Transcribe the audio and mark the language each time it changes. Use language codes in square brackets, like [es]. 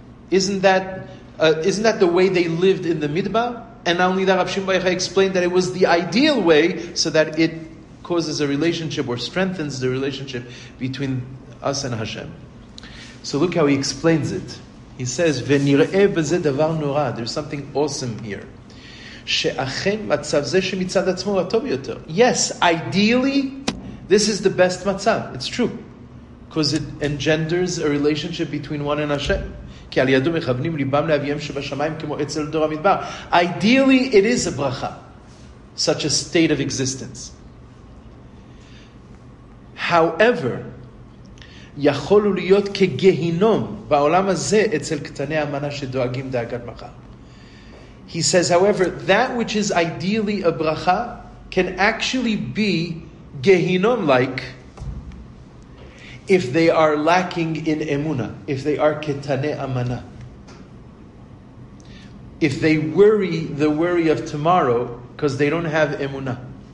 [en] Isn't that the way they lived in the midbar? And not only that, Rav Shimon Bar Yochai explained that it was the ideal way so that it causes a relationship or strengthens the relationship between us and Hashem. So look how he explains it. He says, [he] וְנִרְאֵה בְּזֶה דָבָר נוֹרָא. [en] There's something awesome here. [he] שְאַכֵן מַצָב זֶה שְמִצָד עַצְמוֹ הוא הַטּוֹב יוֹתֵר. [en] Yes, ideally, this is the best מַצָב. It's true. Because it engenders a relationship between one and Hashem. [he] כי על ידו מכוונים ליבם לאביהם שבשמיים כמו אצל דור המדבר. [en] Ideally, it is a bracha, such a state of existence. [he] However, יכולו להיות כגהינום בעולם הזה אצל קטני המנה שדואגים דאגת מחר. [en] He says, however, that which is ideally a bracha can actually be גהינום-like if they are lacking in emuna, if they are ketane amana, if they worry the worry of tomorrow because they don't have emuna.